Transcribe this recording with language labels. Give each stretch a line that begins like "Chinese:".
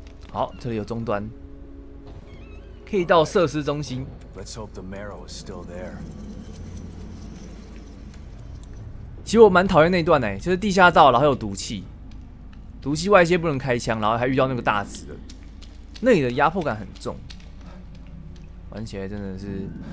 Chinese: 好，这里有终端，可以到设施中心。
English: Let's hope the marrow is still there.
Chinese: 其实我蛮讨厌那一段，就是地下道，然后有毒气，毒气外泄不能开枪，然后还遇到那个大子，那里的压迫感很重，玩起来真的是。